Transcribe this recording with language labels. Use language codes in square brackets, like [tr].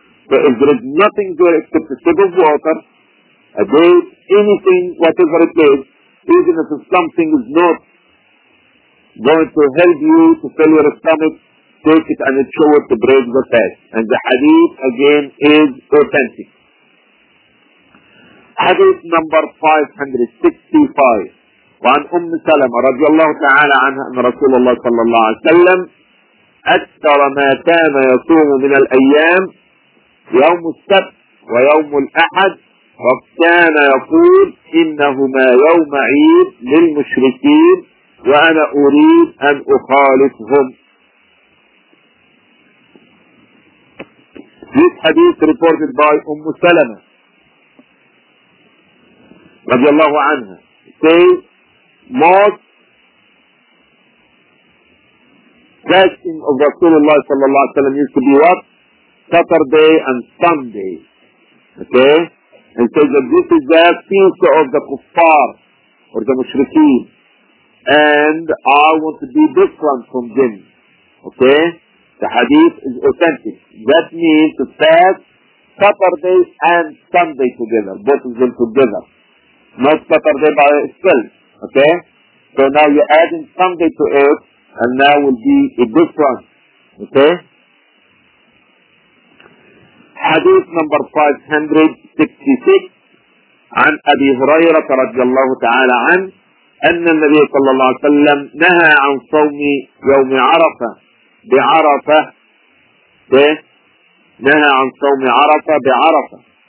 [en] So if there is nothing there except the sip of water, a bowl, anything, whatever it is, even if something is not going to help you to fill your stomach, take it and show it to break the fast. And the hadith, again, is authentic. Hadith number 565. [ar] وعن أم سلمة رضي الله تعالى عنها أن رسول الله صلى الله عليه وسلم أكثر ما كان يصوم من الأيام يوم السبت ويوم الأحد وكان يقول إنهما يوم عيد للمشركين وأنا أريد أن أخالفهم. [en] This hadith reported by Umm Salama رضي الله عنها say most fasting of Rasulullah صلى الله عليه وسلم used to be what? Saturday and Sunday. Okay? And says that this is the feast of the kuffar or the mushrikeen, and I want to be different from them. Okay? The hadith is authentic. That means to fast Saturday and Sunday together, both of them together. Not Saturday by itself. Okay? So now you're adding Sunday to it, and now will be a different. Okay? Hadith number 566 [ar] عن أبي هريرة رضي الله تعالى عنه أن النبي صلى الله عليه وسلم نهى عن صوم يوم عرفة بعرفة نهى عن صوم عرفة بعرفة.